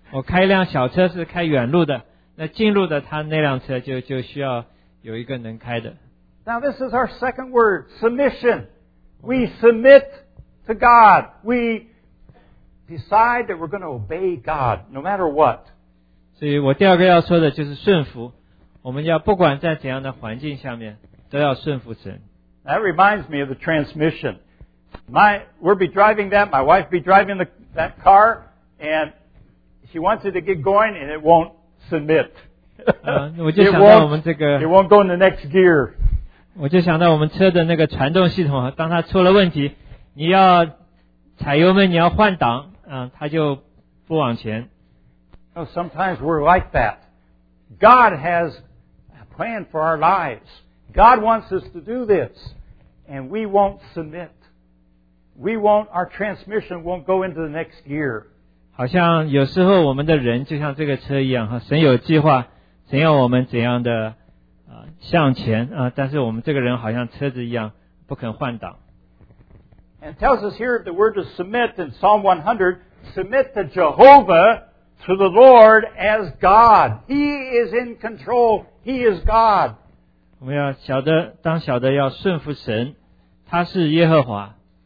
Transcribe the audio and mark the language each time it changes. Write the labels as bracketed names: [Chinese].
[Chinese] 我开一辆小车是开远路的。那进入的他那辆车就需要有一个能开的。 [English] Now this is our second word, submission. We submit to God. We decide that we're going to obey God, no matter what. [Chinese] 所以我第二个要说的就是顺服。我们要不管在怎样的环境下面，都要顺服神。 [English] That reminds me of the transmission. We'll be driving that, my wife will be driving that car, and she wants it to get going, and it won't. Submit. [Chinese] 我就想到我们这个 [English] it won't go in the next gear. [Chinese] 我就想到我们车的那个传动系统，当它出了问题，你要踩油门，你要换挡，它就不往前。 [English] No, sometimes we're like that. God has a plan for our lives. God wants us to do this, and we won't submit. We won't. Our transmission won't go into the next gear. [Chinese] 好像有时候我们的人就像这个车一样，神有计划，神要我们怎样的向前啊，但是我们这个人好像车子一样，不肯换挡。 [English] And tells us here the word to submit in Psalm 100, submit to Jehovah, to the Lord as God. He is in control. He is God. [Chinese] 我们要晓得，当晓得要顺服神，他是耶和华。